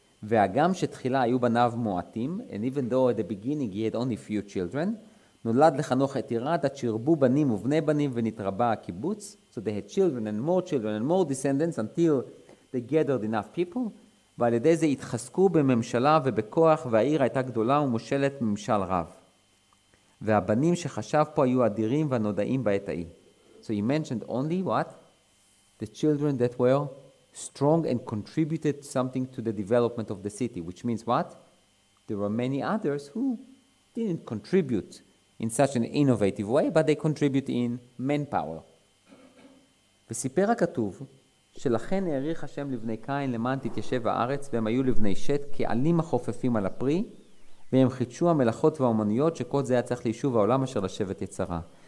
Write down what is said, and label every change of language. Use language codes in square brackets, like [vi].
[he] והגם שתחילה היו בניו מועטים, [en] and even though at the beginning he had only few children, [he] נולד לחנוך את עירד, עד שירבו בנים ובני בנים, ונתרבה הקיבוץ. [en] So they had children and more descendants until they gathered enough people, [he] ועל ידי זה התחזקו בממשלה ובכוח, והעיר הייתה גדולה ומושלת ממשל רב. והבנים שחשב פה היו אדירים והנודעים בעת ההיא. [en] So he mentioned only what? The children that were strong and contributed something to the development of the city, which means what? There were many others who didn't contribute in such an innovative way, but they contribute in manpower. [he] וסיפר הכתוב שלכן העריך השם לבני קין למען תתיישב הארץ, והם היו לבני שת כעלים החופפים על הפרי, והם חידשו המלאכות והאומנויות שכל זה היה צריך ליישוב העולם אשר לשבת יצרה.